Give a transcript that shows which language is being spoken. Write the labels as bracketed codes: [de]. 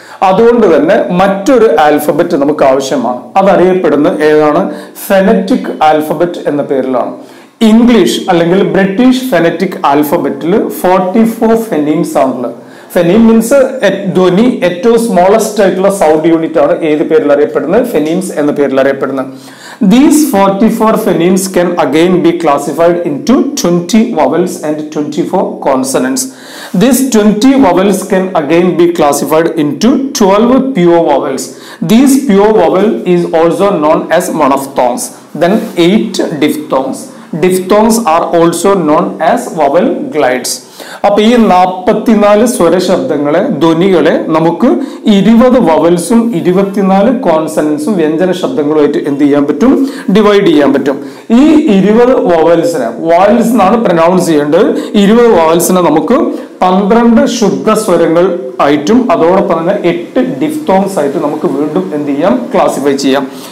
[ml] അതുകൊണ്ട് തന്നെ മറ്റൊരു ആൽഫബറ്റ് നമുക്ക് ആവശ്യമാണ്. അതറിയപ്പെടുന്ന ഏതാണ്? ഫെനറ്റിക് ആൽഫബറ്റ് എന്ന പേരിലാണ്. ഇംഗ്ലീഷ് അല്ലെങ്കിൽ ബ്രിട്ടീഷ് ഫെനറ്റിക് ആൽഫബറ്റിൽ 44 ഫെനീംസ് ആണുള്ളത്. ഫെനീം മീൻസ് ധ്വനി. ഏറ്റവും സ്മോളസ്റ്റ് ആയിട്ടുള്ള സൗണ്ട് യൂണിറ്റ് ആണ് ഏത് പേരിൽ അറിയപ്പെടുന്നത്? ഫെനീംസ് എന്ന പേരിൽ അറിയപ്പെടുന്നത്. [en] These 44 phonemes can again be classified into 20 vowels and 24 consonants. These 20 vowels can again be classified into 12 pure vowels. These pure vowel is also known as monophthongs. Then 8 diphthongs. Diphthongs are also known as vowel glides. [ml] അപ്പൊ ഈ 44 സ്വരശബ്ദങ്ങളെ, ധ്വനികളെ നമുക്ക് 20 വവൽസും 24 കോൺസണൻസും വ്യഞ്ജന ശബ്ദങ്ങളുമായിട്ട് എന്ത് ചെയ്യാൻ പറ്റും? Divide ചെയ്യാൻ പറ്റും. ഈ 20 വവൽസിനെ, vowels എന്നാണ് പ്രൊനൗൺസ് ചെയ്യേണ്ടത്, 20 വവൽസിനെ നമുക്ക് 12 ശുദ്ധ സ്വരങ്ങൾ ആയിട്ടും അതോടൊപ്പം തന്നെ 8 ഡിഫ്തോങ്സ് ആയിട്ടും നമുക്ക് വീണ്ടും എന്ത് ചെയ്യാം? ക്ലാസിഫൈ ചെയ്യാം.